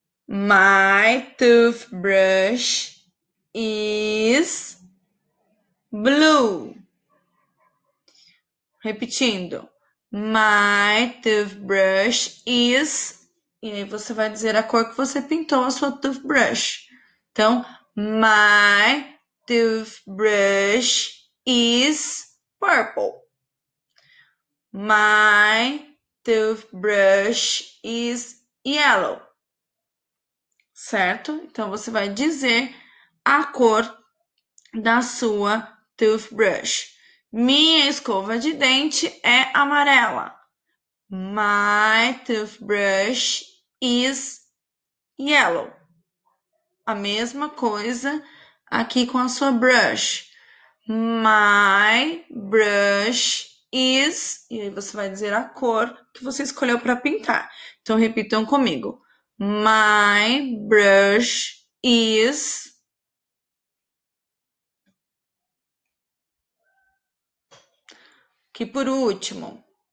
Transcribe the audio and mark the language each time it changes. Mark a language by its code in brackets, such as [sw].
[en] My toothbrush is blue. [pt] Repetindo, [en] my toothbrush is. [pt] E aí você vai dizer a cor que você pintou a sua toothbrush. Então, [en] my toothbrush is purple. My toothbrush is yellow. [pt] Certo? Então você vai dizer a cor da sua toothbrush. Minha escova de dente é amarela. [en] My toothbrush is yellow. [pt] A mesma coisa aqui com a sua brush. [en] My brush is. [pt] E aí você vai dizer a cor que você escolheu para pintar. Então repitam comigo. [en] My brush is [pt] que por último,